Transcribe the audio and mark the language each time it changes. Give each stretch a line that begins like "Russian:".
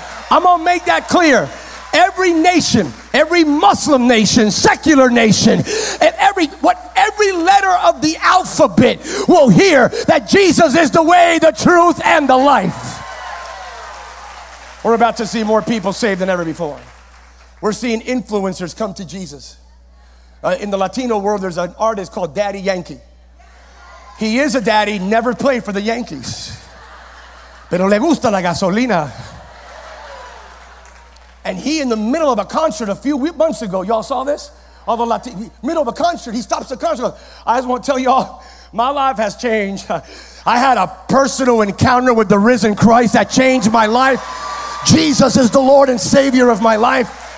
English: I'm gonna make that clear. Every nation, every Muslim nation, secular nation, and every letter of the alphabet will hear that Jesus is the way, the truth, and the life. We're about to see more people saved than ever before. We're seeing influencers come to Jesus. In the Latino world, there's an artist called Daddy Yankee. He is a daddy, never played for the Yankees.
Spanish: Pero le gusta la gasolina.
English: And he, in the middle of a concert a few months ago, y'all saw this? All the Latin, middle of a concert, he stops the concert. I just want to tell y'all, my life has changed. I had a personal encounter with the risen Christ that changed my life. Jesus is the Lord and Savior of my life.